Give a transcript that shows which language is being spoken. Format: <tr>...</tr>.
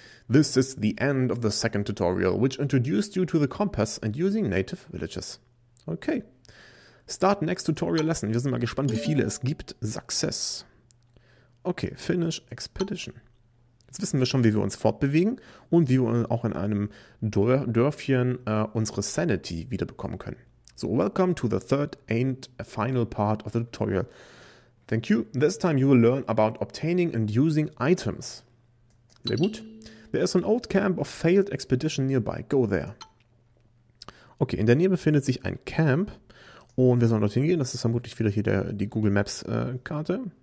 <en>This is the end of the second tutorial, which introduced you to the compass and using native villages. Okay. Start next tutorial lesson.</en> <de>Wir sind mal gespannt, wie viele es gibt. Success. Okay,</de> <en>finish expedition.</en> <de>Jetzt wissen wir schon, wie wir uns fortbewegen und wie wir auch in einem Dörfchen unsere Sanity wiederbekommen können.</de> <en>So, welcome to the third and final part of the tutorial. Thank you. This time you will learn about obtaining and using items.</en> <de>Sehr gut.</de> <en>There is an old camp of failed expedition nearby. Go there.</en> <de>Okay, in der Nähe befindet sich ein Camp. Und wir sollen dorthin gehen. Das ist vermutlich wieder hier die Google Maps Karte.</de>